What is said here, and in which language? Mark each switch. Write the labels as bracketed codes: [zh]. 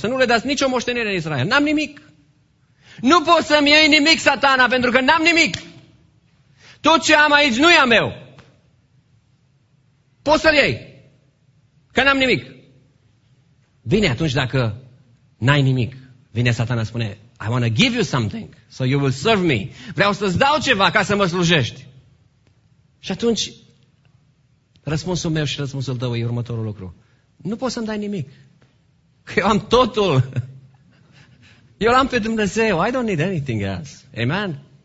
[ro] Să nu le dați nicio moștenire în Israel. N-am nimic. Nu pot să-mi iei nimic, Satana, pentru că n-am nimic. Tot ce am aici nu e a meu. Poți să-l iei. Că n-am nimic. Vine atunci dacă n-ai nimic. Vine Satana, spune, [en] I want to give you something, so you will serve me. [ro] Vreau să-ți dau ceva ca să mă slujești. Și atunci, răspunsul meu și răspunsul tău e următorul lucru. Nu poți să-mi dai nimic. Că eu am totul. Eu l-am pe Dumnezeu. [en] I don't need anything else. Amen?